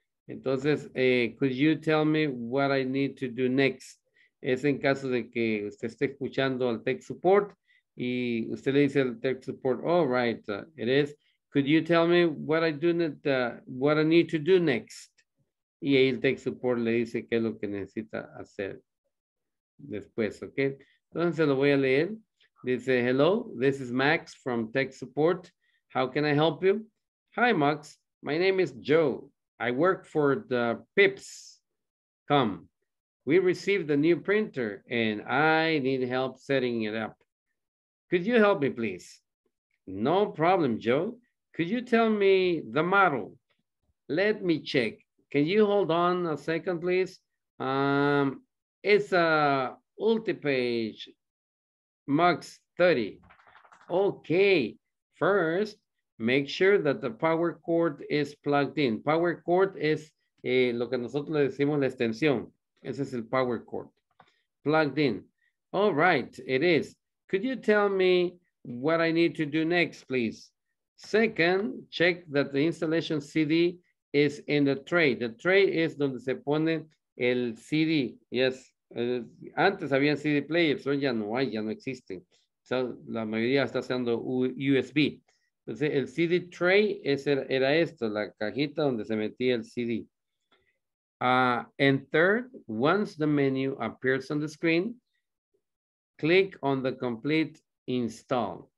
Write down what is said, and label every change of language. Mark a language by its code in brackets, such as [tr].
[es] Entonces, [en] could you tell me what I need to do next? [es] Es en caso de que usted esté escuchando al tech support y usted le dice al tech support, [en] all right, it is. Could you tell me what I need to do next? [es] Y ahí el tech support le dice qué es lo que necesita hacer después, ¿ok? Entonces lo voy a leer. Dice, [en] hello, this is Max from tech support. How can I help you? Hi, Max. My name is Joe. I work for the PIPS.com. We received a new printer and I need help setting it up. Could you help me, please? No problem, Joe. Could you tell me the model? Let me check. Can you hold on a second, please? It's a UltiPage Max 30. Okay, first, make sure that the power cord is plugged in. [es] Power cord es lo que nosotros le decimos la extensión. Ese es el [en] power cord. Plugged in. All right, it is. Could you tell me what I need to do next, please? Second, check that the installation CD is in the tray. The tray is [es] donde se pone el CD. [en] Yes, [es] antes había CD players, hoy ya no hay, ya no existen. [en] So, [es] la mayoría está usando USB. Entonces, el CD tray era esto, la cajita donde se metía el CD. [en] And third, once the menu appears on the screen, click on the complete install.